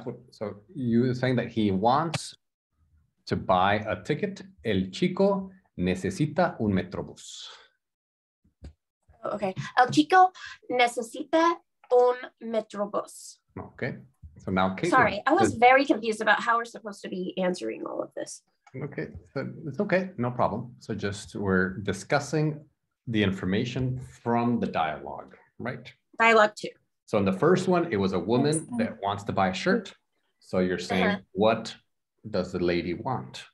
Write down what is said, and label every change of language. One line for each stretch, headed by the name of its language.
English: So you're saying that he wants to buy a ticket.
Spanish: El chico necesita un Metrobus. Okay. El chico necesita un Metrobus.
English: Okay. So now, Caitlin, sorry, I was very confused about how we're supposed to be answering all of this. Okay. So it's okay. No problem. So just we're discussing the information from the dialogue, right? Dialogue two. So in the first one, it was a woman that wants to buy a shirt. So you're saying, what does the lady want?